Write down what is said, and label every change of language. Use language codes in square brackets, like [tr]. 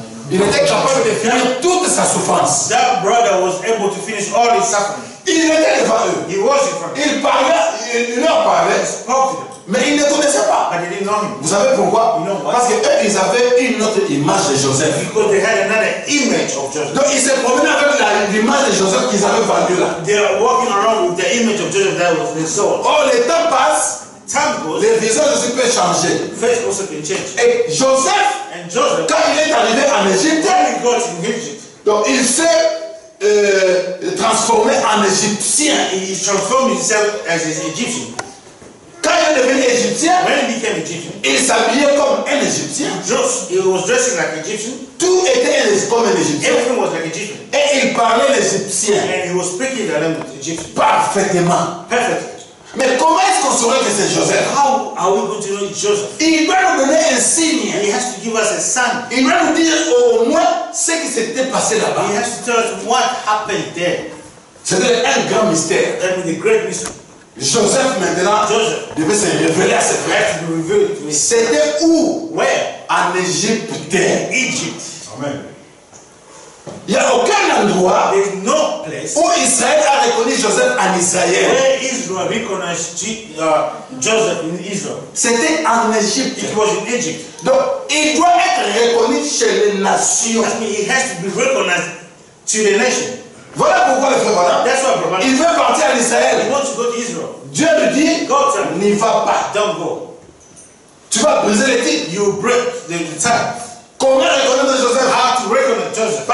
[fr] Il était capable de finir toute sa souffrance. [en] That brother was able to finish all his suffering. [fr] Il était devant eux. [en] He was in front. [fr] Il parlait. Il leur parlait. Mais ils ne connaissaient pas. [en] But they didn't know him. [fr] Vous savez pourquoi? [en] You know why? [fr] Parce que eux, ils avaient une autre image de Joseph. [en] Because they had another image of Joseph. [fr] Donc ils se promenaient avec l'image de Joseph qu'ils avaient vendue là. [en] They are walking around with the image of Joseph that was they sold. [fr] Oh, le temps passe. [en] Time goes. [fr] Les visages de Joseph peuvent changer. [en] Face also can change. [fr] Et Joseph, [en] and Joseph, [fr] quand il est arrivé en Égypte, [en] he got in Egypt. [fr] Donc il s'est transformé en Égyptien. [en] He transformed himself as an Egyptian. [fr] Quand il est devenu Égyptien, [en] when he became Egyptian, [fr] il s'habillait comme un Égyptien. [en] He was dressing like Egyptian. [fr] Tout était comme un Égyptien. [en] Everything was like Egyptian. [fr] Et il parlait l'Égyptien. [en] And he was speaking the language of Egyptian. [fr] Parfaitement. [en] Perfect. [fr] Mais comment est-ce qu'on saurait que c'est Joseph? [en] How are we going to know Joseph? [fr] Il va nous donner un signe. [en] He has to give us a sign. [fr] Il va nous dire au moins ce qui s'était passé là-bas. [en] He has to tell us what happened there. [fr] C'était un grand mystère. [en] That was a great mystery. [fr] Joseph maintenant devait se révéler à ses frères. C'était où? [en] Where? [fr] En Égypte. [en] Egypt. [fr] Amen. Il n'y a aucun endroit. [en] There's no place. [fr] Où Israël a reconnu Joseph en Israël. [en] Where Israel recognized Joseph in Israel. [fr] C'était en Égypte. [en] It was in Egypt. [fr] Donc il doit être reconnu chez les nations. [en] He has to be recognized to the nation. [fr] Voilà pourquoi le frère voilà. [en] That's why, brother. [fr] Il veut partir en Israël. [en] He wants to go to Israel. [fr] Dieu lui dit, [en] God said, [fr] n'y va pas. [en] Don't go. [fr] Tu vas briser les titres. [en] You break the time. [fr] Comment reconnaître Joseph? [en] How to recognize Joseph?